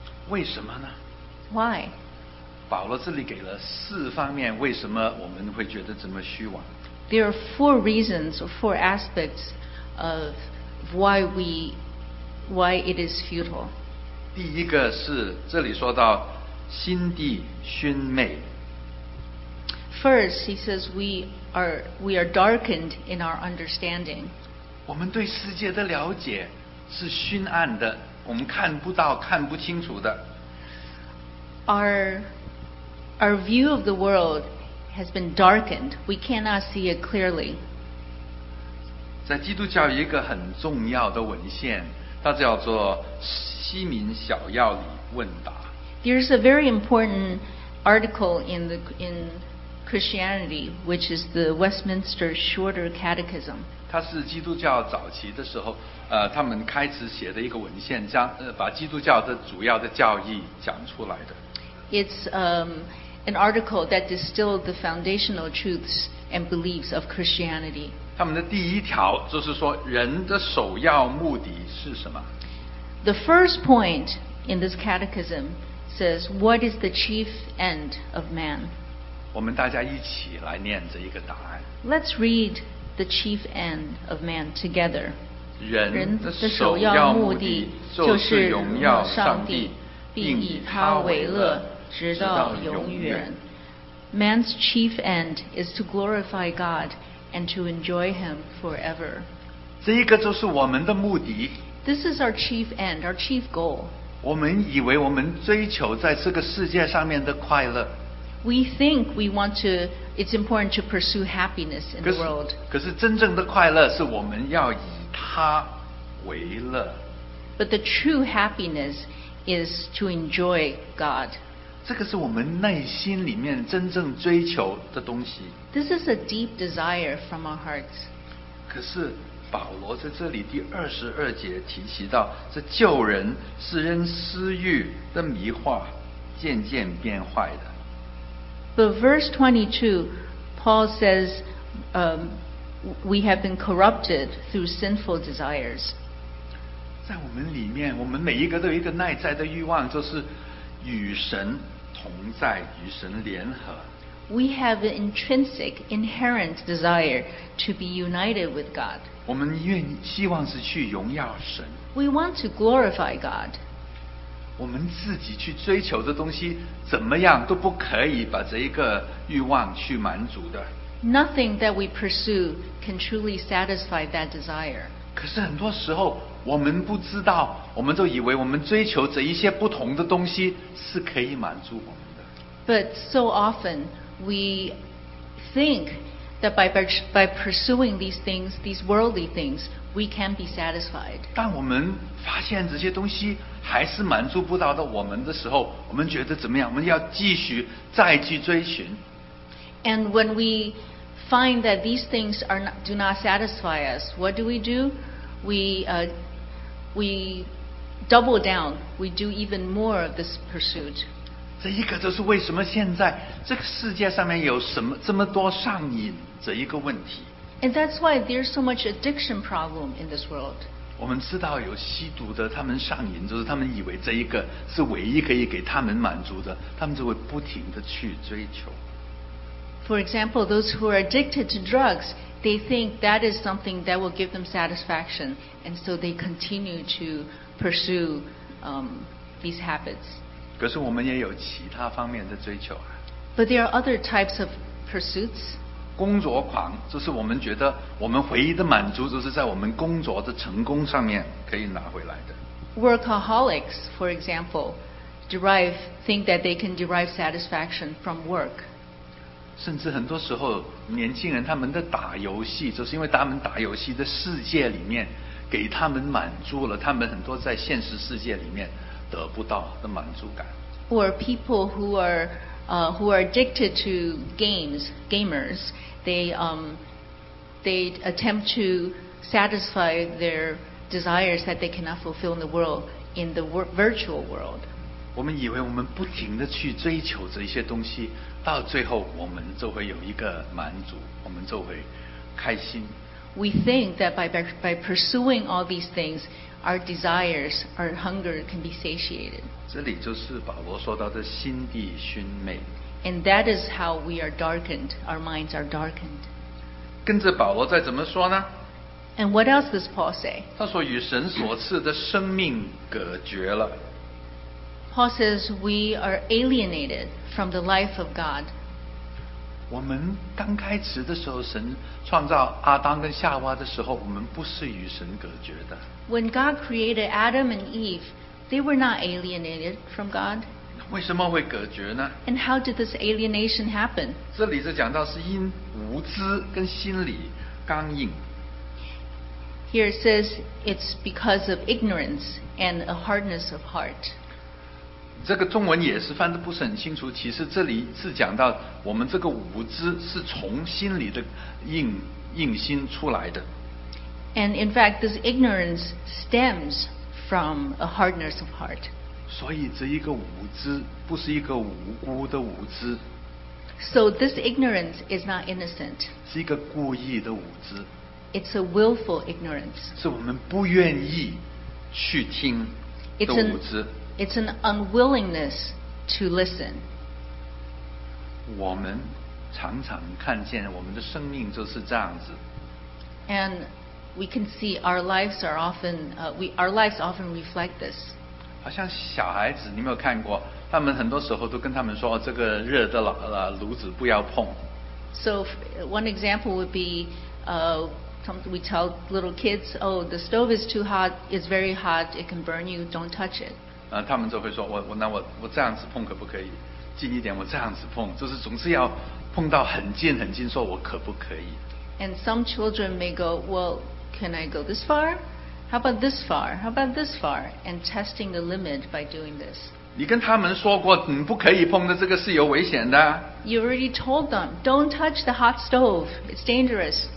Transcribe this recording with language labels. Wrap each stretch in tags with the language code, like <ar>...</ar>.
<zh>为什么呢？</zh> <en>Why?</en> <zh>保罗这里给了四方面，为什么我们会觉得这么虚妄？</zh> <en>There are four reasons or four aspects of why it is futile.</en> <zh>第一个是这里说到心地熏昧。</zh> <en>First, he says we are darkened in our understanding.</en> <zh>我们对世界的了解是熏暗的，我们看不到，看不清楚的。</zh> <en>Our view of the world has been darkened. We cannot see it clearly.</en> <zh>在基督教一个很重要的文献，它叫做《西敏小要》里问答。</zh> <en>There's a very important article in Christianity, which is the Westminster Shorter Catechism.</en> <zh>它是基督教早期的时候，他们开始写的一个文献，把基督教的主要的教义讲出来的。</zh> <en>It's an article that distilled the foundational truths and beliefs of Christianity.</en> <zh>他们的第一条就是说，人的首要目的是什么？</zh> <en>The first point in this catechism says, "What is the chief end of man?"</en> <zh>我们大家一起来念这一个答案。</zh> <en>Let's read the chief end of man together.</en> <zh>人的首要目的就是荣耀上帝。并以他为乐，直到永远。</zh> <en>Man's chief end is to glorify God and to enjoy Him forever.</en> <zh>这一个就是我们的目的。</zh> <en>This is our chief end, our chief goal.</en> <zh>我们以为我们追求在这个世界上面的快乐。</zh> <en>We think we want to. It's important to pursue happiness in the world.</en> <zh>可是真正的快乐是我们要以他为乐。</zh> <en>But the true happiness is to enjoy God.</en> <zh>这个是我们内心里面真正追求的东西。</zh> <en>This is a deep desire from our hearts.</en> <zh>可是保罗在这里第二十二节提及到，这旧人是因私欲的迷惑渐渐变坏的。</zh> <en>But verse 22, Paul says, we have been corrupted through sinful desires.</en> <zh>在我们里面，我们每一个都有一个内在的欲望，就是与神同在，与神联合。</zh> <en>We have an intrinsic, inherent desire to be united with God.</en> <zh>我们希望是去荣耀神。</zh> <en>We want to glorify God.</en> <zh>我们自己去追求的东西，怎么样都不可以把这一个欲望去满足的。</zh> <en>Nothing that we pursue can truly satisfy that desire.</en> <zh>可是很多时候我们不知道，我们都以为我们追求这一些不同的东西是可以满足我们的。</zh> <en>But so often we think that by pursuing these things, these worldly things, we can be satisfied.</en> <zh>当我们发现这些东西还是满足不到的我们的时候，我们觉得怎么样？我们要继续再去追寻。</zh> <en>And when we find that these things are not, do not satisfy us, what do? We double down. We do even more of this pursuit.</en> <zh>这一个就是为什么现在这个世界上面有什么这么多上瘾这一个问题。</zh> <en>And that's why there's so much addiction problem in this world.</en> <zh>我们知道有吸毒的，他们上瘾，就是他们以为这一个是唯一可以给他们满足的，他们就会不停地去追求。</zh> <en>For example, those who are addicted to drugs, they think that is something that will give them satisfaction, and so they continue to pursue these habits.</en> <zh>可是我们也有其他方面的追求啊。</zh> <en>But there are other types of pursuits.</en> <zh>工作狂，这是我们觉得我们唯一的满足，就是在我们工作的成功上面可以拿回来的。</zh> <en>Workaholics, for example, think that they can derive satisfaction from work.</en> <zh>甚至很多时候年轻人他们的打游戏就是因为他们打游戏的世界里面给他们满足了他们很多在现实世界里面得不到的满足感</zh> <en>or people who are addicted to gamers they attempt to satisfy their desires that they cannot fulfill in the world in the virtual world</en> <zh>我们以为我们不停地去追求这些东西到最后我们就会有一个满足我们就会开心</zh> <en>We think that by pursuing all these things our desires, our hunger can be satiated</en> <zh>这里就是保罗说到的心地熏昧</zh> <en>And that is how we are darkened our minds are darkened</en> <zh>跟着保罗再怎么说呢</zh> <en>And what else does Paul say?</en> <zh>他说与神所赐的生命隔绝了</zh> <en>Paul says we are alienated from the life of God.</en> <zh>我们刚开始的时候，神创造亚当跟夏娃的时候，我们不是与神隔绝的。</zh> <en>When God created Adam and Eve, they were not alienated from God.</en> <zh>为什么会隔绝呢</zh> <en>？And how did this alienation happen?</en> <zh>这里是讲到是因无知跟心理刚硬。</zh> <en>Here it says it's because of ignorance and a hardness of heart.</en> <zh>这个中文也是翻得不是很清楚其实这里是讲到我们这个无知是从心里的 硬心出来的</zh> <en>And in fact this ignorance stems from a hardness of heart</en> <zh>所以这一个无知不是一个无辜的无知</zh> <en>So this ignorance is not innocent</en> <zh>是一个故意的无知</zh> <en>It's a willful ignorance</en> <zh>是我们不愿意去听的无知</zh> <en>It's an unwillingness to listen.</en> <zh>我们常常看见我们的生命就是这样子。</zh> <en>And we can see our lives often reflect this.</en> <zh>好像小孩子，你没有看过？他们很多时候都跟他们说：“这个热的炉子不要碰。”</zh> <en>So one example would be, we tell little kids, "Oh, the stove is too hot. It's very hot. It can burn you. Don't touch it."</en> <zh>他们就会说我这样子碰可不可以近一点我这样子碰就是总是要碰到很近很近说我可不可以</zh> <en>And some children may go Well, can I go this far? How about this far? How about this far? And testing the limit by doing this</en> <zh>你跟他们说过你不可以碰的这个是有危险的</zh> <en>You already told them Don't touch the hot stove It's dangerous</en>